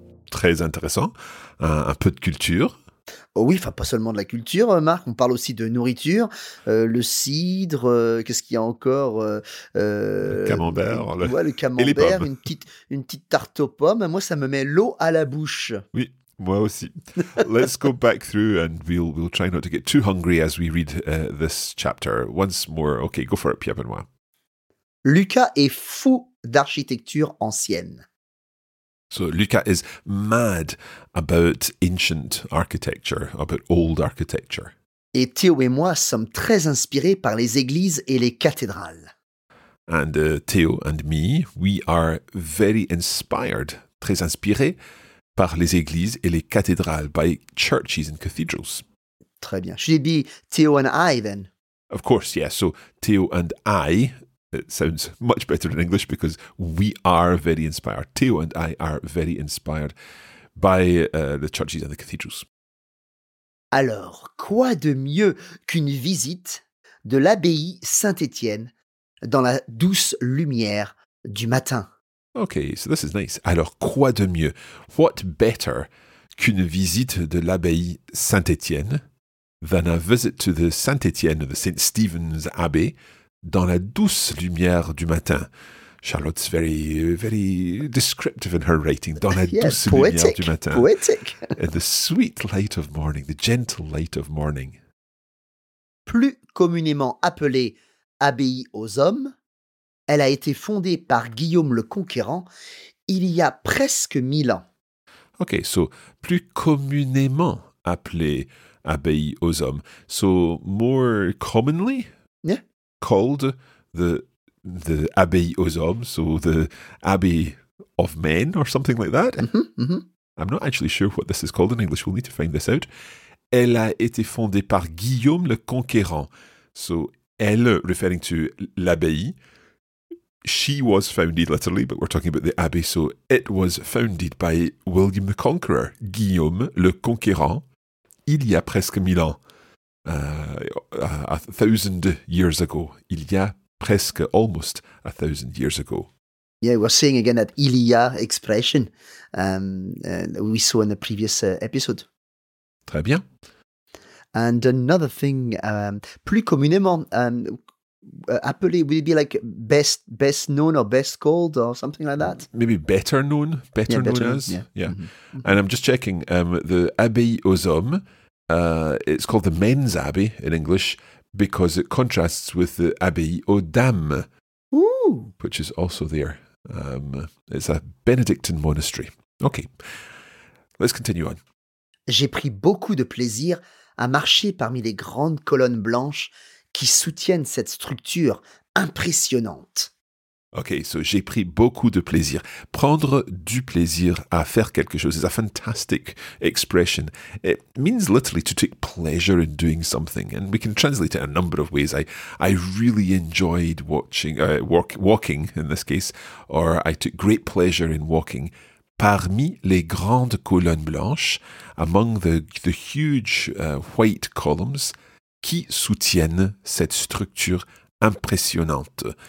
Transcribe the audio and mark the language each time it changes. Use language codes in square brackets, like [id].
[fr] Très intéressant. Un peu de culture. Oh oui, enfin pas seulement de la culture, Marc, on parle aussi de nourriture, le cidre, qu'est-ce qu'il y a encore Le camembert. Le camembert, une petite tarte aux pommes. Moi, ça me met l'eau à la bouche. Oui, moi aussi. [en] Let's go back through and we'll try not to get too hungry as we read this chapter. Once more, okay, go for it, Pierre Benoît. [fr] Lucas est fou d'architecture ancienne. [en] So Luca is mad about ancient architecture, about old architecture. [fr] Et Théo et moi sommes très inspirés par les églises et les cathédrales. [en] And Théo and me, we are very inspired, [fr] très inspirés par les églises et les cathédrales, [en] by churches and cathedrals. [fr] Très bien. [en] Should it be Théo and I then? Of course, yes. So Théo and I... It sounds much better in English because we are very inspired. Theo and I are very inspired by the churches and the cathedrals. [fr] Alors, quoi de mieux qu'une visite de l'abbaye Saint-Étienne dans la douce lumière du matin? [en] Okay, so this is nice. [fr] Alors, quoi de mieux? [en] What better [fr] qu'une visite de l'abbaye Saint-Étienne [en] than a visit to the Saint-Étienne, the St. Stephen's Abbey, [fr] dans la douce lumière du matin. [en] Charlotte's very, very descriptive in her writing. [fr] Dans la douce lumière du matin. [en] Poetic. In the sweet light of morning, the gentle light of morning. [fr] Plus communément appelée abbaye aux hommes, elle a été fondée par Guillaume le Conquérant il y a presque 1000 ans. [en] Okay, so [fr] plus communément appelée abbaye aux hommes. [en] So more commonly? Yeah. Called the Abbey aux hommes, so the Abbey of Men or something like that. I'm not actually sure what this is called in English. We'll need to find this out. [fr] Elle a été fondée par Guillaume le Conquérant. [en] So elle, referring to l'abbaye, she was founded literally, but we're talking about the abbey. So it was founded by William the Conqueror, Guillaume le Conquérant, [fr] il y a presque 1000 ans. [en] A thousand years ago. [fr] Il y a presque, [en] almost a thousand years ago. Yeah, we're seeing again that il y a expression we saw in the previous episode. [fr] Très bien. [en] And another thing, [fr] plus communément, appelé, [en] would it be like best known or best called or something like that? Maybe better known, better known as. Yeah. Yeah. Mm-hmm. And I'm just checking, the Abbaye aux hommes, it's called the Men's Abbey in English because it contrasts with the Abbey aux Dames, which is also there. It's a Benedictine monastery. Okay, let's continue on. [fr] J'ai pris beaucoup de plaisir à marcher parmi les grandes colonnes blanches qui soutiennent cette structure impressionnante. [en] Okay, so [fr] j'ai pris beaucoup de plaisir. Prendre du plaisir à faire quelque chose [en] is a fantastic expression. It means literally to take pleasure in doing something. And we can translate it a number of ways. I really enjoyed walking in this case, or I took great pleasure in walking. [fr] Parmi les grandes colonnes blanches, [en] among the huge white columns, [fr] qui soutiennent cette structure impressionnante.